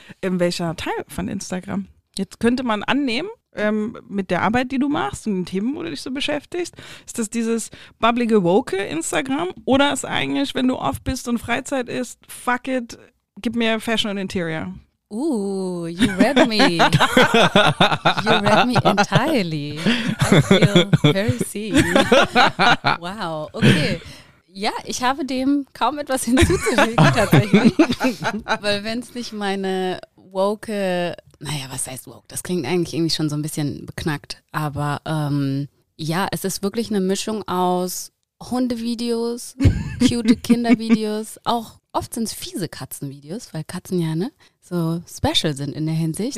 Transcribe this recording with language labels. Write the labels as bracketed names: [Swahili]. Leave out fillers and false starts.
[German] In welcher Teil von Instagram? Jetzt könnte man annehmen, mit der Arbeit, die du machst und den Themen, wo du dich so beschäftigst, ist das dieses bubblige, woke Instagram oder ist eigentlich, wenn du off bist und Freizeit ist, [English] fuck it, [German] gib mir Fashion und Interior. [English] You read me. You read me entirely. I feel very seen. Wow, okay. [German] Ja, ich habe dem kaum etwas hinzuzufügen, tatsächlich. Weil wenn es nicht meine woke, naja, was heißt woke? Das klingt eigentlich irgendwie schon so ein bisschen beknackt. Aber ja, es ist wirklich eine Mischung aus Hundevideos, cute Kindervideos, auch oft sind es fiese Katzenvideos, weil Katzen ja, ne, so special sind in der Hinsicht.